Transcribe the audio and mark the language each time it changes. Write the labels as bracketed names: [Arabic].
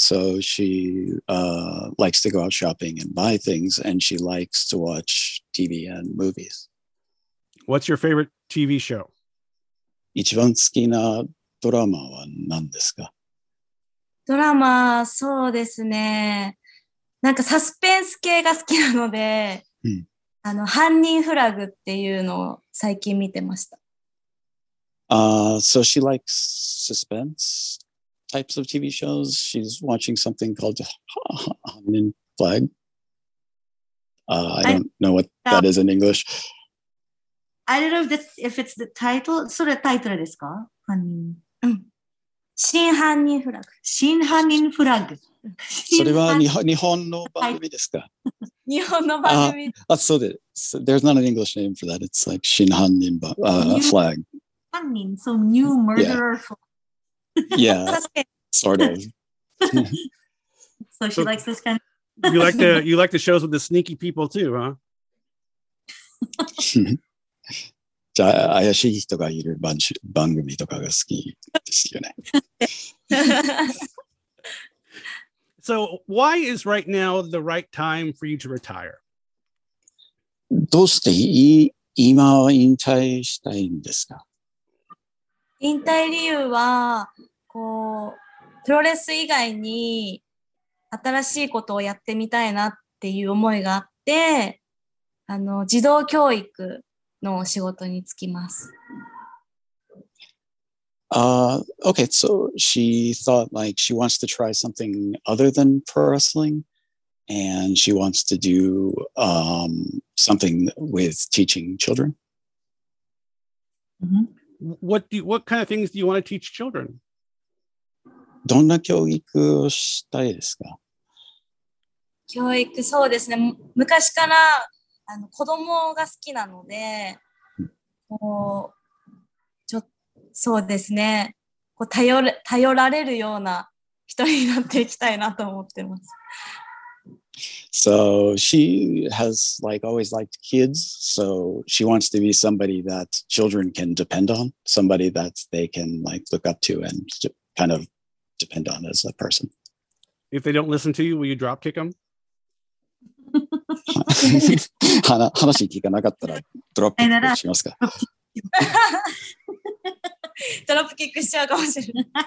[English] So she likes to go out shopping and buy things, and she likes to watch TV and movies. What's your favorite TV show? [Japanese] 一番好きなドラマは何ですか？ドラマ、そうですね。なんかサスペンス系が好きなので、あの、犯人フラグっていうのを最近見てました。 [English] So she likes suspense types of TV shows. She's watching something called Hanin Flag. I don't know what that is in English. I don't know if that's, if it's the title. [Japanese] それタイトルですか？犯人。真犯人フラグ。真犯人フラグ。それは日本の番組ですか？日本の番組。あ、そうです。 [English] There's not an English name for that. It's like 真犯人flag. 犯人、so new murderer flag. Yeah. Sort of. So she likes this kind. You like the shows with the sneaky people too, huh? [Japanese] じゃあ怪しい人がいる番組とかが好きですよね。 [English] So why is right now the right time for you to retire? [Japanese] どうして今は引退したいんですか？引退理由はこうプロレス以外に新しいことをやってみたいなっていう思いがあって、あの児童教育の仕事に就きます。 [English] Okay, so she thought like she wants to try something other than pro wrestling, and she wants to do something with teaching children. Mm-hmm. What kind of things do you want to teach children? [Japanese] どんな教育をしたいですか？教育、そうですね。昔からあの子供が好きなので。そうですね。こう頼られるような人になっていきたいなと思ってます。 [English] So she has like always liked kids. So she wants to be somebody that children can depend on, somebody that they can like look up to and kind of depend on as a person. If they don't listen to you, will you drop kick them? [Japanese] 話聞かなかったらドロップキックしますか。ドロップキックしちゃうかもしれない。